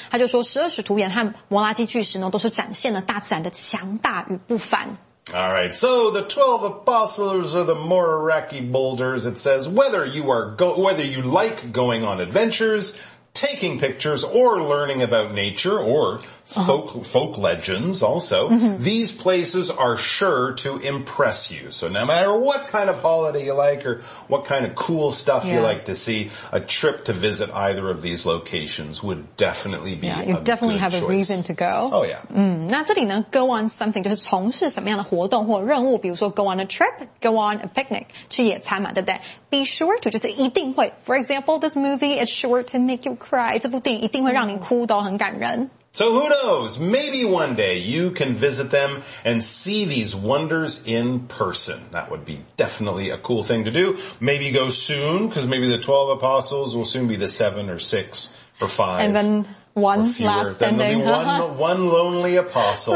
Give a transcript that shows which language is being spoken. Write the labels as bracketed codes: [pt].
[zh] 它就说十二使徒岩和摩拉基巨石呢，都是展现了大自然的强大与不凡。 [en] All right, so the 12 apostles or the Moeraki boulders, it says, whether you like going on adventures, taking pictures, or learning about nature, or folk legends also, these places are sure to impress you. So no matter what kind of holiday you like or what kind of cool stuff you like to see, a trip to visit either of these locations would definitely be a good choice. Yeah, you definitely have a reason to go. Oh, yeah. [zh] 那这里呢 [en] go on something [zh] 就是从事什么样的活动或任务，比如说 [en] go on a trip, go on a picnic, [zh] 去野餐嘛，对不对？ [en] Be sure to [zh] 就是一定会。 [en] For example, this movie is sure to make you cry. [zh] 这部电影一定会让你哭的，很感人。 [en] So who knows, maybe one day you can visit them and see these wonders in person. That would be definitely a cool thing to do. Maybe go soon, because maybe the 12 apostles will soon be the 7 or 6 or 5. And then one last sending. Then there'll be one lonely apostle.